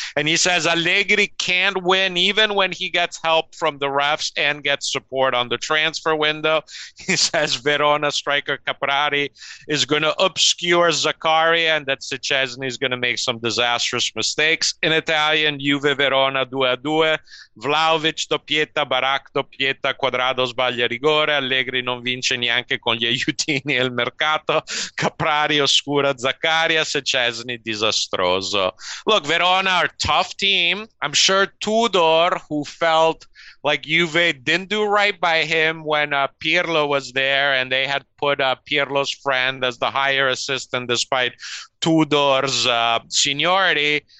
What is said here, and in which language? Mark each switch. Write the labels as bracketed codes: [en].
[en] And he says Allegri can't win even when he gets help from the refs and gets support on the transfer window. He says Verona striker Caprari is going to obscure Zaccaria and that Szczęsny is going to make some disastrous mistakes. In Italian, Juve Verona 2-2. [it] Vlahovic doppietta, Barak doppietta, Cuadrado sbaglia rigore, Allegri non vince neanche con gli aiutini e il mercato, Caprari oscura, Zaccaria, Szczęsny disastroso. [en] Look, Verona are a tough team. I'm sure Tudor, who felt like Juve didn't do right by him when Pirlo was there and they had put Pirlo's friend as the higher assistant despite Tudor's seniority.